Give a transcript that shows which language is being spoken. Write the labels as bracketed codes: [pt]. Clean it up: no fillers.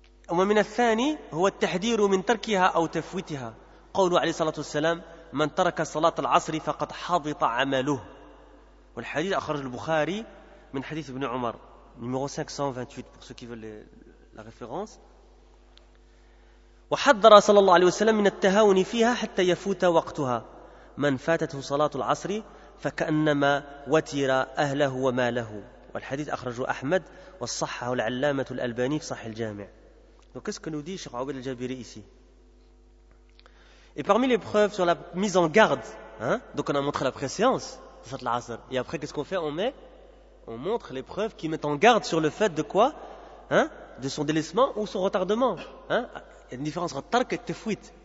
[ar] ومن الثاني هو التحذير من تركها أو تفويتها. قوله عليه الصلاة والسلام من ترك صلاة العصر فقد حبط عمله. والحديث أخرج البخاري من حديث ابن عمر [fr] numéro 528 pour ceux qui veulent la référence. [ar] وحذر صلى الله عليه وسلم من التهاون فيها حتى يفوت وقتها من فاتته صلاة العصر فكأنما وتر أهله وماله. والحديث أخرجه أحمد وصححه العلامة الألباني في صحيح الجامع. [fr] Donc qu'est-ce que nous dit Cheikh Abdel Jabiri ici? Et parmi les preuves sur la mise en garde, donc on a montré la préscience, Salat al-Asr. Et après, qu'est-ce qu'on fait? On montre les preuves qui mettent en garde sur le fait de quoi? De son délaissement ou son retardement. Il y a une différence entre tark et tefuit.